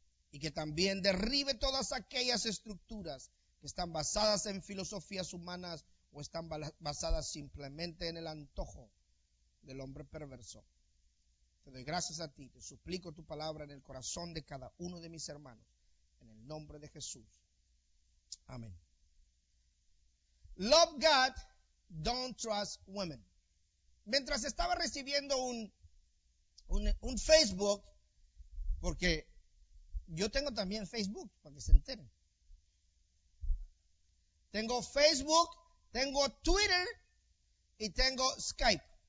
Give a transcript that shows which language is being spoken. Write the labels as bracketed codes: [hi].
[es] y que también derribe todas aquellas estructuras que están basadas en filosofías humanas o están basadas simplemente en el antojo del hombre perverso. Te doy gracias a ti, te suplico tu palabra en el corazón de cada uno de mis hermanos, en el nombre de Jesús. Amén. [en] Love God, don't trust women. [es] Mientras estaba recibiendo un Facebook, porque Yo tengo también Facebook, para que se enteren. Tengo Facebook, tengo Twitter y tengo Skype.